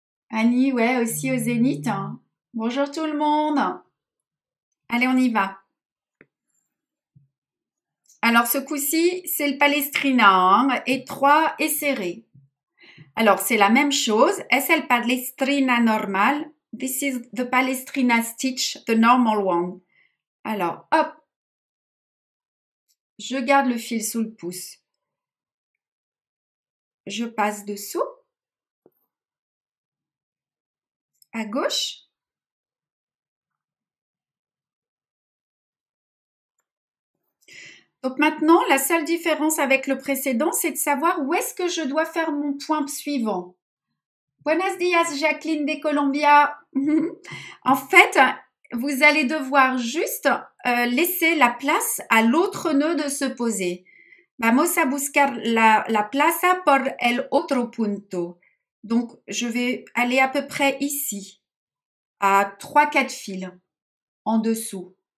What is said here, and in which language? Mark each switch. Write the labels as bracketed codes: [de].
[fr] Annie, ouais, aussi au zénith. Bonjour tout le monde. Allez, on y va. Alors, ce coup-ci, c'est le palestrina, hein, étroit et serré. Alors, c'est la même chose. Est-ce le palestrina normal? [en] This is the palestrina stitch, the normal one. [fr] Alors, hop. Je garde le fil sous le pouce. Je passe dessous. À gauche. Donc maintenant, la seule différence avec le précédent, c'est de savoir où est-ce que je dois faire mon point suivant. [es] Buenos dias, [fr] Jacqueline de Colombia. En fait, vous allez devoir juste laisser la place à l'autre nœud de se poser. [es] Vamos a buscar la plaza por el otro punto. [fr] Donc, je vais aller à peu près ici, à 3-4 fils en dessous.